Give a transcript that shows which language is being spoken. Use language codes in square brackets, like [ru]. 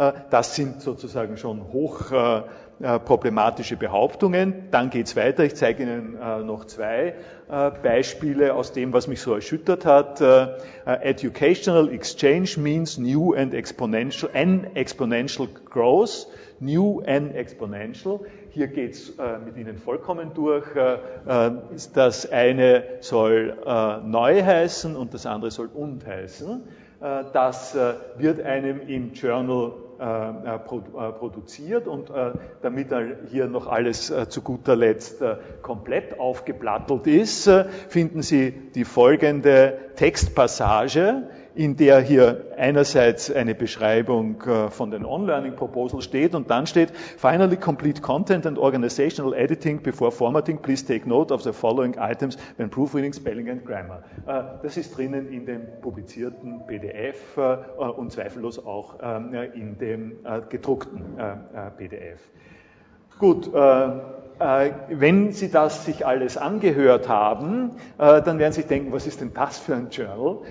[de] Das sind sozusagen schon hoch problematische Behauptungen. Dann geht's weiter. Ich zeige Ihnen noch zwei Beispiele aus dem, was mich so erschüttert hat. [en] Educational exchange means new and exponential, an exponential growth, new and exponential. [de] Hier geht's mit Ihnen vollkommen durch. Das eine soll neu heißen und das andere soll und heißen. Das wird einem im Journal produziert und damit hier noch alles zu guter Letzt komplett aufgeplattelt ist, finden Sie die folgende Textpassage, in der hier einerseits eine Beschreibung von den On-Learning Proposals steht und dann steht: [en] Finally complete content and organizational editing before formatting. Please take note of the following items when proofreading, spelling and grammar. [de] Das ist drinnen in dem publizierten PDF und zweifellos auch in dem gedruckten PDF. Gut, wenn Sie das sich alles angehört haben, dann werden Sie sich denken, was ist denn das für ein Journal?